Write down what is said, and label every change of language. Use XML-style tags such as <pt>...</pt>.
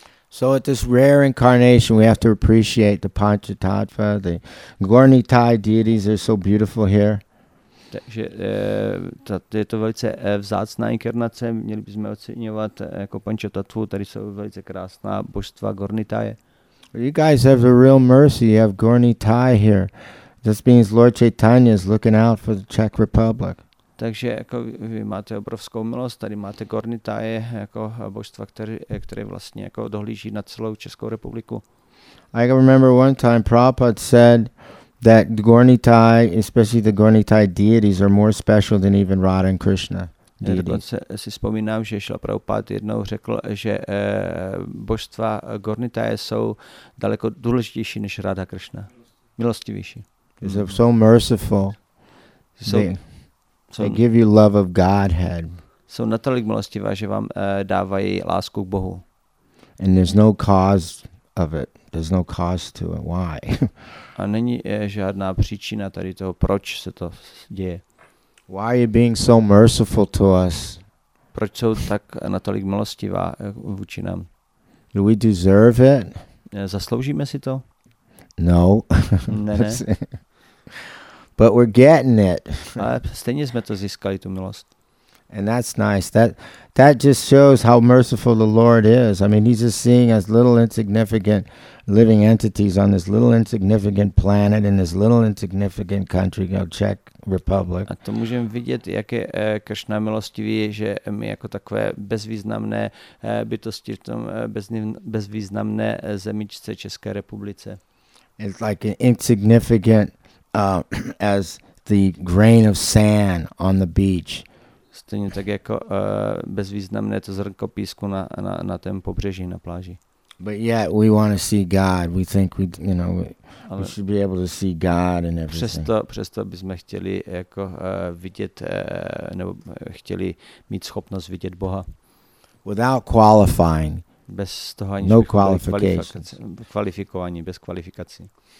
<en>So at this rare incarnation we have to appreciate the Panchatattva, the Gornitai deities are so beautiful here.</en> <cs>Takže je to velice vzácná inkarnace, měli bychom oceňovat jako Panchatattvu, tady jsou velice krásná božstva Gornitaje.</cs> <en>You guys have the real mercy, you have Gornitai here. This means Lord Chaitanya is looking out for the Czech Republic.</en> <cs>Takže jako vy máte obrovskou milost, tady máte Gornitaje jako božstva, které vlastně jako dohlíží na celou Českou republiku.</cs> <en>I remember one time Prabhupada said that the Gornitai, especially the Gornitai deities, are more special than even Radha and Krishna.</en> <cs>Dokonce si vzpomínám, že Šila Prabhupád jednou řekl, že božstva Gornitaje jsou daleko důležitější než Radha Krishna. Milostivější.</cs> <en>They're so merciful. They give you love of Godhead.</en> <cs>Jsou natolik milostivá, že vám dávají lásku k Bohu.</cs> <en>And there's no cause of it. There's no cause to it. Why?</en> <cs>A není žádná příčina tady toho, proč se to děje.</cs> <en>Why are you being so merciful to us?</en> <cs>Proč jsou tak natolik milostivá vůči nám?</cs> <en>Do we deserve it?</en> <cs>Zasloužíme si to?</cs> <en>No.</en> <cs>Ne, ne.</cs> <en>But we're getting it.</en> <cs>Ale stejně jsme to získali, tu milost.</cs> <en>And that's nice. That just shows how merciful the Lord is. I mean, he's just seeing us little insignificant living entities on this little insignificant planet in this little insignificant country, you know, Czech Republic.</en> <cs>A to můžeme vidět, jak je Krishna milostivý, že my jako takové bezvýznamné bytosti v tom bezvýznamné zemičce České republice.</cs> <en>It's like an insignificant as the grain of sand on the beach.</en> <cs>Stejně tak jako bezvýznamné to zrnko písku na tém pobřeží, na pláži.</cs> <en>But yet we want to see God. We think we, you know, we should be able to see God and everything.</en> <cs>Přesto bychom chtěli jako vidět nebo chtěli mít schopnost vidět Boha.</cs> <en>Without qualifying.</en> <cs>Bez toho ani</cs> <en>no qualification.</en> <cs>Kvalifikování bez kvalifikací.</cs>